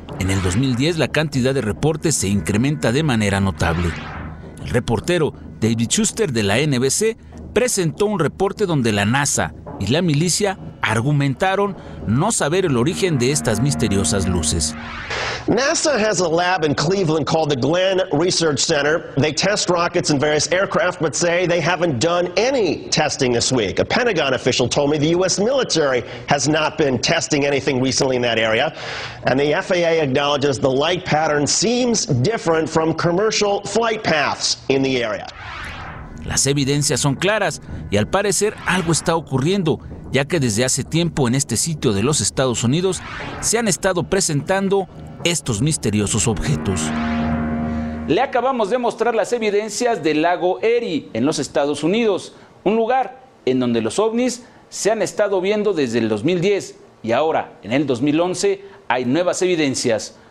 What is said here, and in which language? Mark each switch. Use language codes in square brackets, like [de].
[es] En el 2010 la cantidad de reportes se incrementa de manera notable. El reportero David Schuster de la NBC presentó un reporte donde la NASA y la milicia argumentaron no saber el origen de estas misteriosas luces. [en] NASA has a lab in Cleveland called the Glenn Research Center. They test rockets and various aircraft, but say they haven't done any testing this week. A Pentagon official told me the U.S. military has not been testing anything recently in that area. And the FAA acknowledges the light pattern seems different from commercial flight paths in the area. [es] Las evidencias son claras y al parecer algo está ocurriendo, ya que desde hace tiempo en este sitio de los Estados Unidos se han estado presentando estos misteriosos objetos. Le acabamos de mostrar las evidencias del lago Erie en los Estados Unidos, un lugar en donde los ovnis se han estado viendo desde el 2010 y ahora, en el 2011, hay nuevas evidencias.